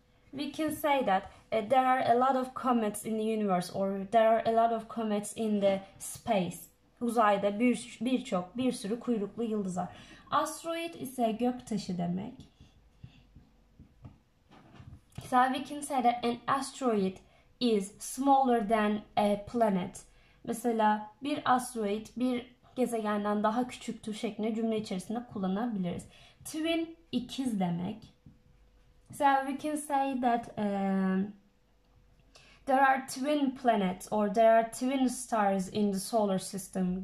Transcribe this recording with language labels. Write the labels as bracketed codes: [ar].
[en] We can say that there are a lot of comets in the universe or there are a lot of comets in the space. [tr] Uzayda bir sürü kuyruklu yıldız var. Asteroid ise gök taşı demek. [en] So we can say that an asteroid is smaller than a planet. [tr] Mesela bir asteroid bir gezegenden daha küçüktür şeklinde cümle içerisinde kullanabiliriz. Twin ikiz demek. [en] So we can say that there are twin planets or there are twin stars in the solar system.